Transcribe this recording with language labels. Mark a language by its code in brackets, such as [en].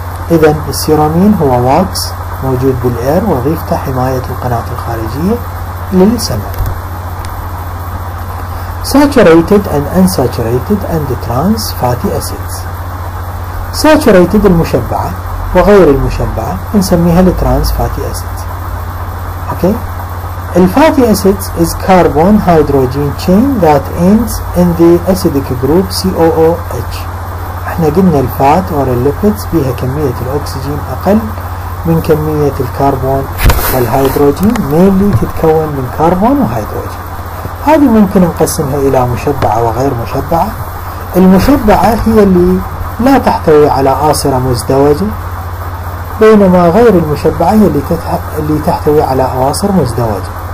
[ar] اذا السيرامين هو واكس موجود بالاير وظيفته حماية القناة الخارجية للسمع. [en] Saturated and unsaturated and trans fatty acids. [ar] Saturated المشبعة وغير المشبعة نسميها trans fatty acids. [en] Okay. The fatty acids is carbon hydrogen chain that ends in the acidic group COOH. [ar] احنا قلنا الفات or lipids بها كمية الأكسجين أقل من كمية الكربون والهيدروجين، mainly تتكون من كربون وهيدروجين. هذه ممكن نقسمها إلى مشبعة وغير مشبعة. المشبعة هي اللي لا تحتوي على آصرة مزدوجة، بينما غير المشبعة هي اللي تحتوي على آصر مزدوجة.